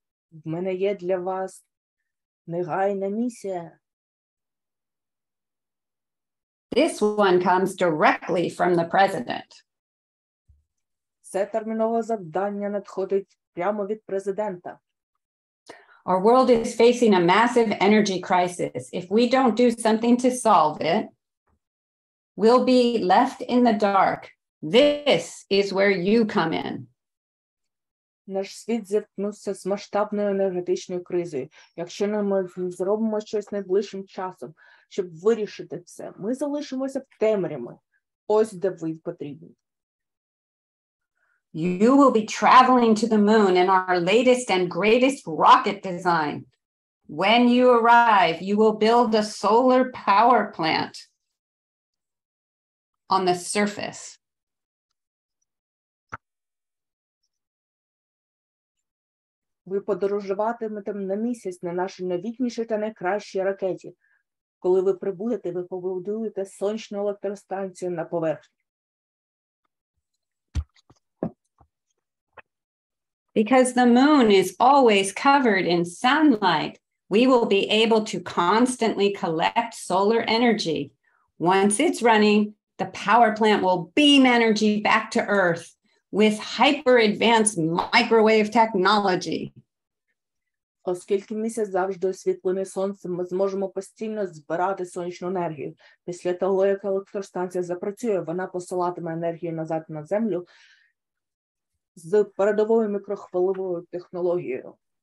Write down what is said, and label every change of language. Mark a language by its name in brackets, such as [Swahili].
[Ukrainian] В мене є для вас негайна місія. [English] This one comes directly from the president. [Ukrainian] Це термінове завдання надходить прямо від президента. [English] Our world is facing a massive energy crisis. If we don't do something to solve it, we'll be left in the dark. This is where you come in. [Ukrainian] Наш світ зіткнувся з масштабною енергетичною кризою. Якщо ми не зробимо щось найближчим часом, щоб вирішити все, ми залишимося в темряві. Ось де ви потрібні. [English] You will be traveling to the moon in our latest and greatest rocket design. When you arrive, you will build a solar power plant on the surface. [Ukrainian] Ви подорожуватимете на місяць на нашій новітнішій та найкращій ракеті. Коли ви прибудете, ви побудуєте сонячну електростанцію на поверхні. [English] Because the moon is always covered in sunlight, we will be able to constantly collect solar energy. Once it's running, the power plant will beam energy back to Earth with hyper-advanced microwave technology. [Ukrainian] Оскільки місяць завжди освітлений сонцем, ми зможемо постійно збирати сонячну енергію. Після того, як електростанція запрацює, вона посилатиме енергію назад на Землю з передовою мікрохвильовою технологією.